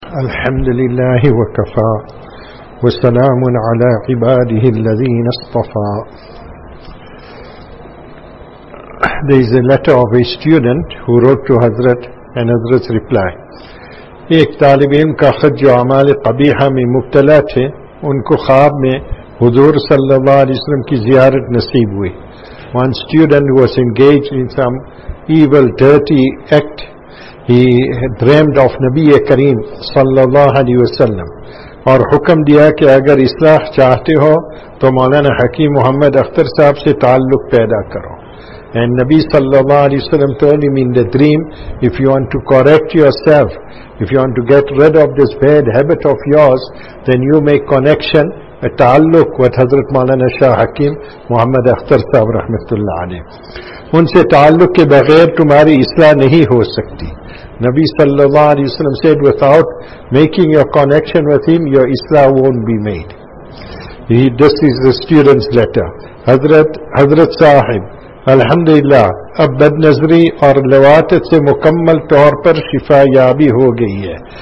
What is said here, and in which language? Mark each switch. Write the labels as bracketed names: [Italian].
[Arabic] الحمد لله وكفى، وسلام على عباده الذين اصطفى. [English] There is a letter of a student who wrote to Hazrat, and Hazrat's reply. [Urdu] ایک طالب علم کا خط جو اعمال قبیحہ میں مبتلا تھے، ان کو خواب میں حضور صلی اللہ علیہ وسلم کی زیارت نصیب ہوئی. [English] One student was engaged in some evil, dirty act. He dreamed of [Urdu] نبی کریم صلی اللہ علیہ وسلم، اور حکم دیا کہ اگر اصلاح چاہتے ہو تو مولانا حکیم محمد اختر صاحب سے تعلق پیدا کرو. [English] And نبی صلی اللہ علیہ وسلم told him in the dream, if you want to correct yourself, if you want to get rid of this bad habit of yours, then you make connection, a تعلق with Hazrat Maulana Shah Hakim Muhammad Akhtar Sahib رحمت اللہ علیہ. [Urdu] ان سے تعلق کے بغیر تمہاری اصلاح نہیں ہو سکتی. [English] نبی صلی اللہ علیہ وسلم said, without making your connection with him, your اصلاح won't be made. [Urdu] This is the student's letter. حضرت صاحب، الحمدللہ اب بدنظری اور لواطت سے مکمل طور پر شفا یابی ہو گئی ہے.